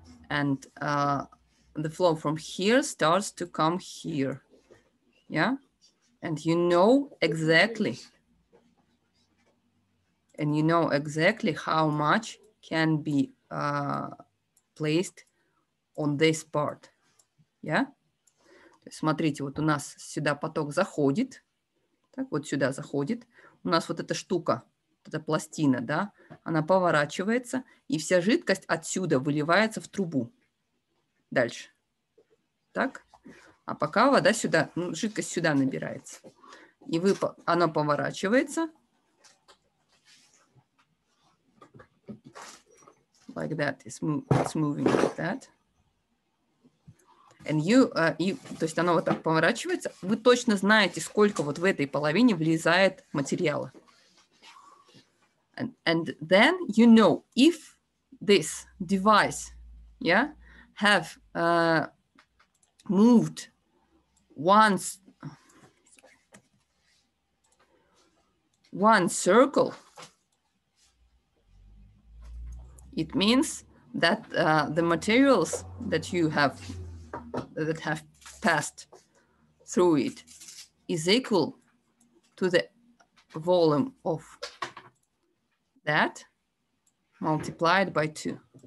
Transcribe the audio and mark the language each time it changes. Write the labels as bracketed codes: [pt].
[en] And the flow from here starts to come here. Yeah? And you know exactly. And you know exactly how much can be placed on this part. Yeah? [ru] Смотрите, вот у нас сюда поток заходит. Так, вот сюда заходит. У нас вот эта штука, эта пластина, да, она поворачивается, и вся жидкость отсюда выливается в трубу. Дальше. Так? А пока вода сюда, ну, жидкость сюда набирается. И она поворачивается. [en] Like that, it's moving like that. And you, [ru] то есть оно вот так поворачивается. Вы точно знаете, сколько вот в этой половине влезает материала. [en] And then you know if this device, yeah, have moved once. one circle, it means that the materials that you have, that have passed through it, is equal to the volume of that multiplied by 2.